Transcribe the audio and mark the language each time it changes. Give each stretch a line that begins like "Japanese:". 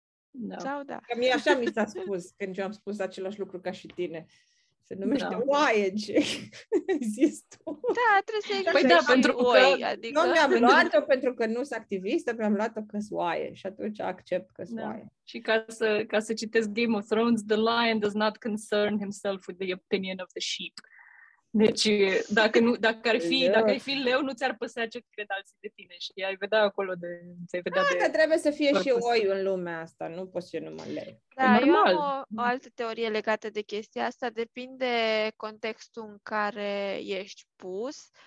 Romanian: No. Sau da. Că mie așa mi s-a spus când eu am spus același lucru ca și tine. Se numește oaie, ce zis tu. Da, trebuie să-i... Păi da, pentru că... Oaie, adică... Nu mi-am luat-o pentru că nu sunt activistă, mi-am luat-o că-s oaie și atunci accept că-s oaie. Și ca să citesc
English: Game of Thrones, the lion does not concern himself with the opinion of the sheep.
Romanian: Deci, dacă ar fi leu, nu ți-ar păsa ce cred alții de tine și ai vedea acolo de... Da, trebuie să fie și oi în lumea asta, nu poți fi numai leu. Da, normal. Eu am o altă teorie legată de chestia asta, depinde contextul în care ești pus.